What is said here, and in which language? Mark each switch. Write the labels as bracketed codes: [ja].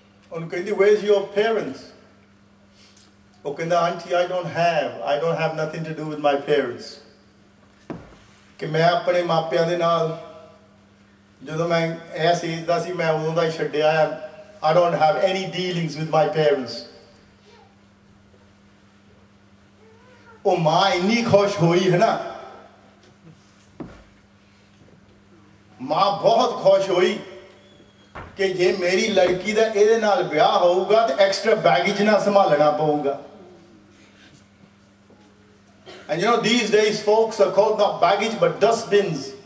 [pa] Oh kehndi, [en] where's your parents? [pa] Oh kehnda, [en] auntie, I don't have nothing to do with my parents. [pa] ਕਿ ਮੈਂ ਆਪਣੇ ਮਾਪਿਆਂ ਦੇ ਨਾਲ ਜਦੋਂ ਮੈਂ ਇਸ ਏਜ ਦਾ ਸੀ, ਮੈਂ ਉਦੋਂ ਦਾ ਹੀ ਛੱਡਿਆ. [en] I don't have any dealings with my parents. [pa] ਉਹ ਮਾਂ ਇੰਨੀ ਖੁਸ਼ ਹੋਈ ਹੈ ਨਾ, ਮਾਂ ਬਹੁਤ ਖੁਸ਼ ਹੋਈ ਕਿ ਜੇ ਮੇਰੀ ਲੜਕੀ ਦਾ ਇਹਦੇ ਨਾਲ ਵਿਆਹ ਹੋਊਗਾ ਤਾਂ ਐਕਸਟਰਾ ਬੈਗੇਜ ਨਾ ਸੰਭਾਲਣਾ ਪਊਗਾ. [en] And you know, these days folks are called not baggage but dustbins.